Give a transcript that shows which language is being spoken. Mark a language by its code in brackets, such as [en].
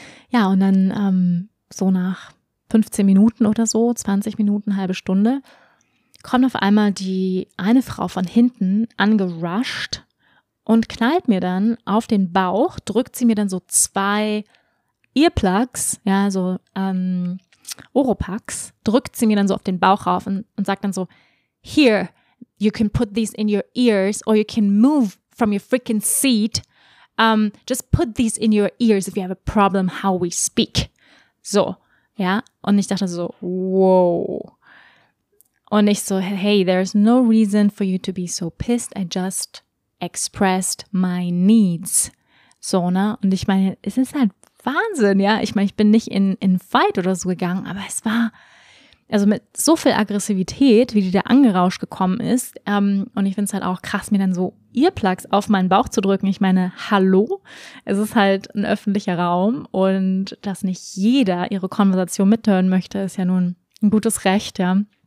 [de] Ja, und dann so nach 15 Minuten oder so, 20 Minuten, halbe Stunde, kommt auf einmal die eine Frau von hinten angerusht und knallt mir dann auf den Bauch, drückt sie mir dann so zwei Earplugs, ja, so Oropax, drückt sie mir dann so auf den Bauch rauf und sagt dann so, [en] here, you can put these in your ears or you can move from your freaking seat. Just put these in your ears if you have a problem how we speak. [de] So, ja, und ich dachte so, wow. Und ich so, [en] hey, there's no reason for you to be so pissed. I just expressed my needs. [de] So, ne, und ich meine, es ist halt Wahnsinn, ja. Ich meine, ich bin nicht in Fight oder so gegangen, aber es war, also mit so viel Aggressivität, wie die da angerauscht gekommen ist, und ich finde es halt auch krass, mir dann so Earplugs auf meinen Bauch zu drücken. Ich meine, hallo, es ist halt ein öffentlicher Raum und dass nicht jeder ihre Konversation mithören möchte, ist ja nun ein gutes Recht, ja.